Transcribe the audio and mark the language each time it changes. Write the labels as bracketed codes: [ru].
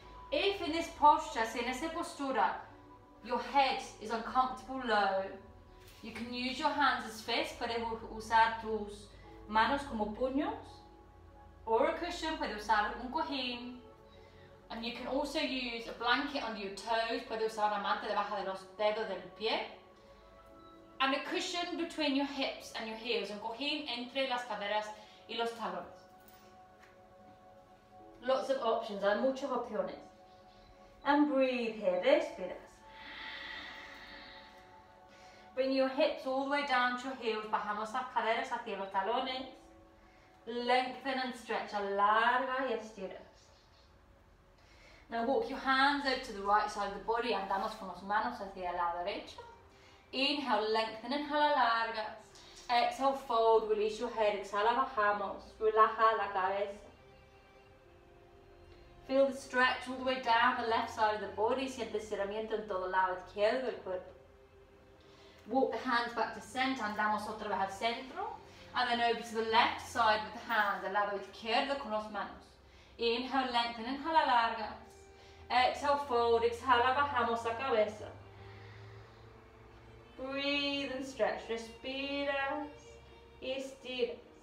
[en] If in this posture, [es] si en esa postura, [en] your head is uncomfortable low, you can use your hands as fists. [es] Puedes usar tus manos como puños. [en] Or a cushion. [es] Puedes usar un cojín. [en] And you can also use a blanket under your toes. [es] Puedes usar una manta debajo de los dedos del pie. [en] And a cushion between your hips and your heels. [es] Un cojín entre las caderas y los talones. [en] Lots of options. [es] Hay muchas opciones. [en] And breathe here. [es] Respira. [en] Bring your hips all the way down to your heels. [es] Bajamos las caderas hacia los talones. [en] Lengthen and stretch. [es] Alarga y estira. [en] Now walk your hands over to the right side of the body. [es] Andamos con las manos hacia la derecha. [en] Inhale, lengthen. [es] Inhale, alarga. [en] Exhale, fold. Release your head. [es] Exhala, bajamos. Relaja la cabeza. [en] Feel the stretch all the way down the left side of the body. [es] Siente estiramiento en todo el lado izquierdo del cuerpo. [en] Walk the hands back to center. [es] Andamos otra vez al centro. [en] And then over to the left side with the hands. [es] Al lado izquierdo con las manos. [en] Inhale, lengthen. [es] Inhale, alarga. [en] Exhale, fold. [es] Exhale, bajamos la cabeza. [en] Breathe and stretch. [es] Respiras. Estiras.